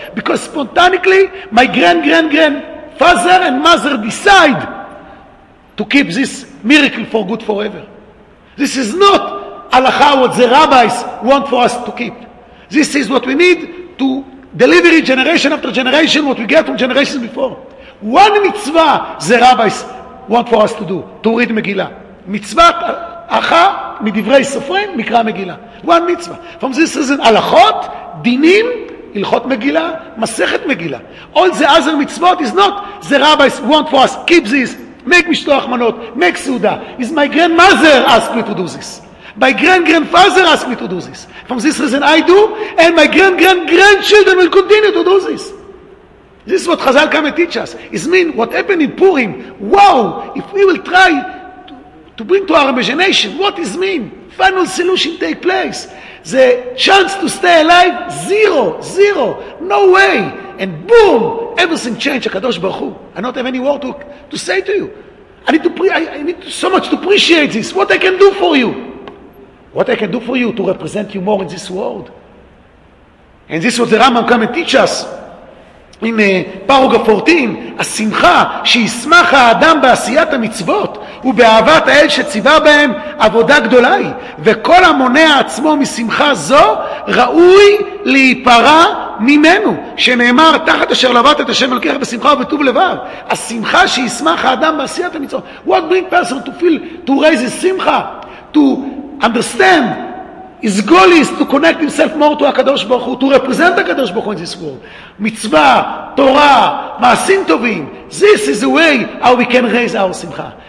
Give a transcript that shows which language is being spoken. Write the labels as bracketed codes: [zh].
[en] Because spontaneously my grand-grand-grandfather and mother decide to keep this miracle for good forever. This is not הלכה, what the rabbis want for us to keep. This is what we need to deliver it generation after generation, what we get from generations before. One mitzvah the rabbis want for us to do, to read Megillah. [he] מצוות אחה מדברי סופרים מקרא מגילה. One מצווה. [en] From this season, [he] הלכות, דינים, הלכות מגילה, מסכת מגילה. [en] All the other מצוות is not the rabbis want for us, keep this, make משלוח מנות, make סעודה. Is my grandmother asked me to do this. My grand-grandfather asked me to do this. From this season, I do, and my grand-grand-grandchildren will continue to do this. This is what Chazal come and teach us. It means what happened in Purim. Wow, if we will try to bring to our imagination, what is mean? Final solution take place. The chance to stay alive, zero, zero. No way. And boom, everything changed. HaKadosh Baruch Hu. I don't have any word to say to you. I need to so much to appreciate this. What I can do for you? What I can do for you to represent you more in this world? And this is what the Rambam come and teach us. [he] In paragraph 14, השמחה שישמח האדם בעשיית המצוות ובאהבת האל שציווה בהם עבודה גדולה היא, וכל המונע עצמו משמחה זו ראוי להיפרע ממנו, שנאמר תחת אשר לבט את השם מלכך בשמחה ובטוב לבב. השמחה שישמח האדם בעשיית המצוות. [en] What bring person to feel, to raise his simcha, to understand His goal is to connect himself more to HaKadosh Baruch Hu, to represent HaKadosh Baruch Hu in this world. Mitzvah, Torah, Ma'asim Tovim, this is the way how we can raise our Simcha.